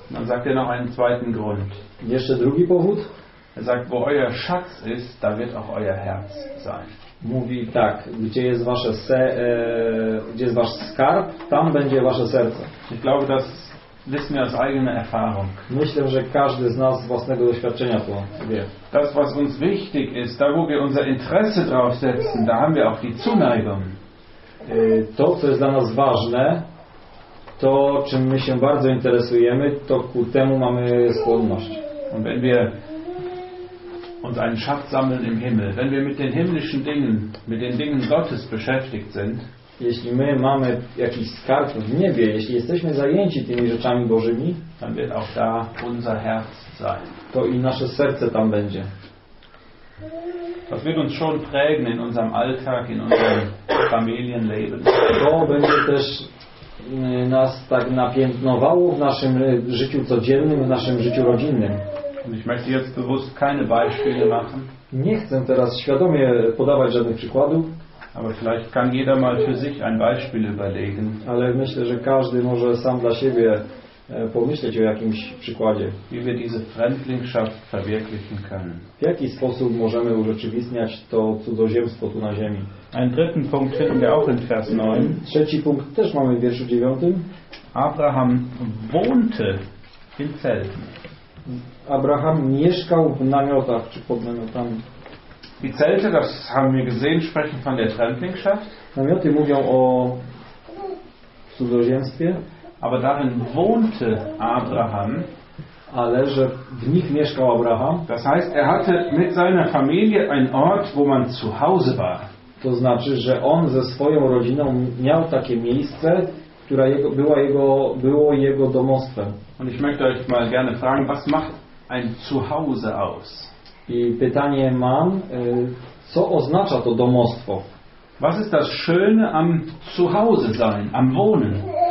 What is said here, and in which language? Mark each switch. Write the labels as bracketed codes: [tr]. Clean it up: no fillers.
[de] Dann sagt er noch einen zweiten Grund. [pl] Jeszcze drugi powód. [de] Er sagt, wo euer Schatz ist, da wird auch euer Herz sein. [pl] Mówi tak, gdzie jest wasze gdzie jest wasz skarb, tam będzie wasze serce. [de] Ich glaube, das wissen wir aus eigener Erfahrung. [pl] Myślę, że każdy z nas z własnego doświadczenia to wie. [de] Das, was uns wichtig ist, da wo wir unser Interesse drauf setzen, da haben wir auch die Zuneigung. [pl] To, co jest dla nas ważne, to, czym my się bardzo interesujemy, to ku temu mamy skłonność. [de] Und wenn wir uns einen Schatz sammeln im Himmel, wenn wir mit den himmlischen Dingen, mit den Dingen Gottes beschäftigt sind, [pl] jeśli my mamy jakiś skarb w niebie, jeśli jesteśmy zajęci tymi rzeczami Bożymi, [de] dann wird auch da unser Herz sein. [pl] To i nasze serce tam będzie. [de] Das wird uns schon prägen in unserem Alltag, in unserem Familienleben. [pl] To będzie też nas tak napiętnowało w naszym życiu codziennym, w naszym życiu rodzinnym. [de] Und ich möchte jetzt bewusst keine Beispiele machen. [pl] Nie chcę teraz świadomie podawać żadnych przykładów. [de] Aber vielleicht kann jeder mal für sich ein Beispiel überlegen. [pl] Ale myślę, że każdy może sam dla siebie pomyśleć o jakimś przykładzie. [de] Wie wir diese Fremdlingschaft verwirklichen können. [pl] W jaki sposób możemy urzeczywistniać to cudzoziemstwo tu na ziemi. [de] Einen dritten Punkt finden wir auch in Vers 9. [pl] Trzeci punkt też mamy w wierszu 9. [de] Abraham wohnte in Zelten. [pl] Abraham mieszkał w namiotach czy pod namiotami. [de] Die Zelte, das haben wir gesehen, sprechen von der Fremdlingschaft. [pl] Namioty mówią o cudzoziemstwie. [de] Aber darin wohnte Abraham. [pl] Ale że w nich mieszkał Abraham. [de] Das heißt, er hatte mit seiner Familie einen Ort, wo man zu Hause war. [pl] To znaczy, że on ze swoją rodziną miał takie miejsce, która jego, była jego, było jego domostwem. [de] Und ich möchte euch mal gerne fragen, was macht ein Zuhause aus? [pl] I pytanie mam, co oznacza to domostwo? [de] Was ist das Schöne am Zuhause sein, am Wohnen?